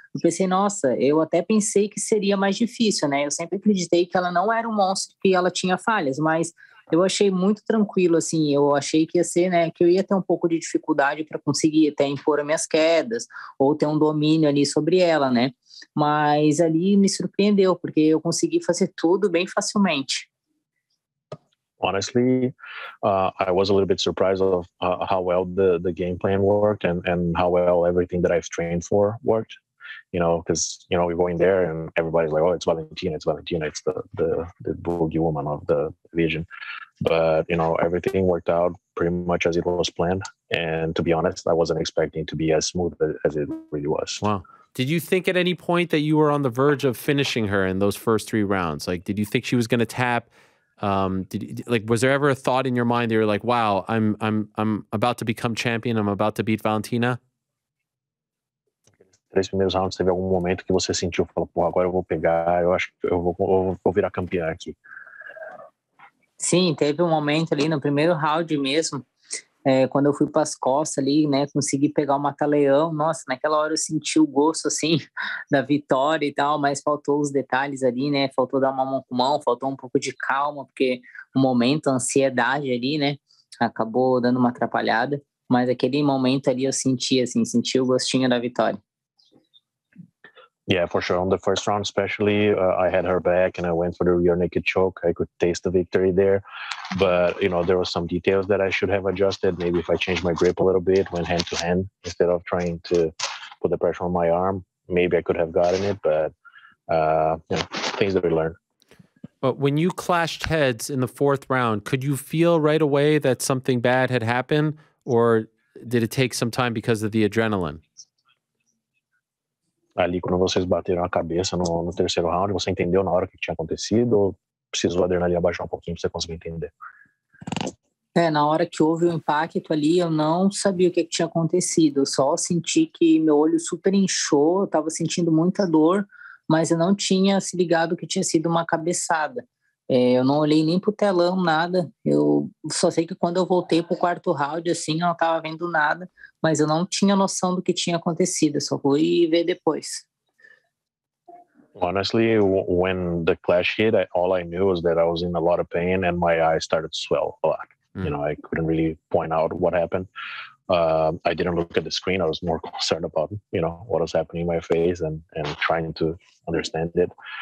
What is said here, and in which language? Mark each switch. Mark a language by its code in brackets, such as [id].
[pt] Eu pensei, nossa, eu até pensei que seria mais difícil, né? Eu sempre acreditei que ela não era um monstro, que ela tinha falhas, mas eu achei muito tranquilo, assim, eu achei que ia ser, né, que eu ia ter um pouco de dificuldade para conseguir até impor as minhas quedas ou ter um domínio ali sobre ela, né? Mas ali me surpreendeu, porque eu consegui fazer tudo bem facilmente. [en] Honestly, I was a little bit surprised of how well the game plan worked and how well everything that I've trained for worked. you know, because, you know, we go in there and everybody's like, oh, it's Valentina, it's the boogie woman of the division. But, you know, everything worked out pretty much as it was planned. And to be honest, I wasn't expecting to be as smooth as it really was. Wow. Did you think at any point that you were on the verge of finishing her in those first three rounds? Like, did you think she was going to tap? Was there ever a thought in your mind that you're like, wow, I'm about to become champion. I'm about to beat Valentina. [pt] Três primeiros rounds, teve algum momento que você sentiu, falou, pô, agora eu vou pegar, eu acho que eu vou virar campeã aqui. Sim, teve um momento ali no primeiro round mesmo, quando eu fui para as costas ali, né, consegui pegar o mata-leão, nossa, naquela hora eu senti o gosto, assim, da vitória e tal, mas faltou os detalhes ali, né, faltou dar uma mão com mão, faltou um pouco de calma, porque o momento, a ansiedade ali, né, acabou dando uma atrapalhada, mas aquele momento ali eu senti, assim, senti o gostinho da vitória. [en] Yeah, for sure. On the first round, especially, I had her back and I went for the rear naked choke. I could taste the victory there. But, you know, there were some details that I should have adjusted. Maybe if I changed my grip a little bit, went hand to hand, instead of trying to put the pressure on my arm, maybe I could have gotten it. But, you know, things that we learn. But when you clashed heads in the fourth round, could you feel right away that something bad had happened? Or did it take some time because of the adrenaline? [pt] Ali, quando vocês bateram a cabeça no terceiro round, você entendeu na hora o que tinha acontecido ou precisou a adrenalina baixar um pouquinho para você conseguir entender? Na hora que houve o impacto ali, eu não sabia o que tinha acontecido. Eu só senti que meu olho super inchou, eu estava sentindo muita dor, mas eu não tinha se ligado que tinha sido uma cabeçada. Eu não olhei nem para o telão, nada. Eu só sei que quando eu voltei para o quarto round, assim, eu não estava vendo nada. Mas eu não tinha noção do que tinha acontecido. Só fui ver depois. [en] Honestly, when the clash hit, all I knew was that I was in a lot of pain and my eyes started to swell a lot. Mm. You know, I couldn't really point out what happened. I didn't look at the screen. I was more concerned about, you know, what was happening in my face and trying to understand it.